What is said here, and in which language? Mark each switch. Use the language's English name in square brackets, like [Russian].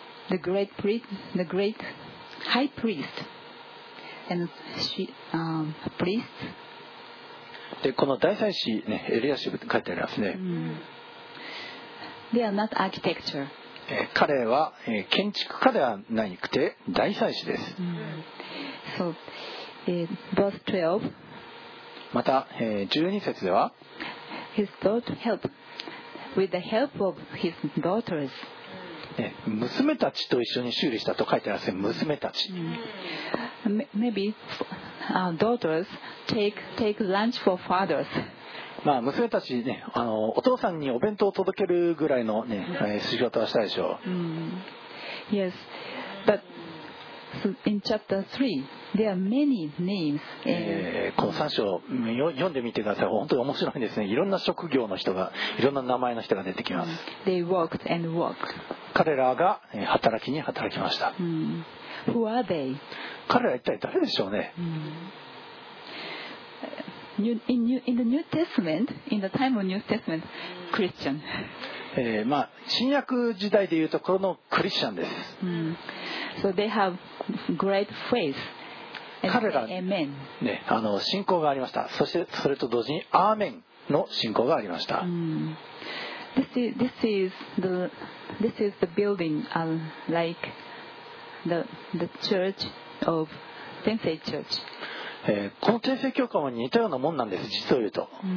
[English] The great priest, the great high priest, and she, priest. [Japanese] で、この大祭司、ね、エリアシブって書いてありますね。 [English] They are not architecture. [Japanese] 彼は建築家ではなくて大祭司です。 [English] So, verse 12. [Japanese] また、12節では [English] his daughter help, with the help of his daughters.、 [Japanese] ね、娘たちと一緒に修理したと書いてありますね、娘たち。 [English] Maybe daughters take lunch for fathers.、 [Japanese] まあ、娘たち、ね、お父さんにお弁当を届けるぐらいの、ね、仕事はしたでしょう。 [English] Yes, but in chapter 3,There are many names. [Japanese] この3章を読んでみてください。本当に面白いですね。いろんな職業の人が、いろんな名前の人が出てきます。 [English] They worked and worked. [Japanese] 彼らが働きに働きました。 [English] Who are they? [Japanese] 彼ら一体誰でしょうね。 [English] In the New Testament, in the time of New Testament, Christian. [Japanese] まあ、新約時代でいうところのクリスチャンです。 [English] So they have great faith. [Japanese] 彼ら、ね、信仰がありました。そしてそれと同時にアーメンの信仰がありました。 [English] This is the building like the church of 天聖教会。 [Japanese] この天聖教会も似たようなもんなんです。実を言うと。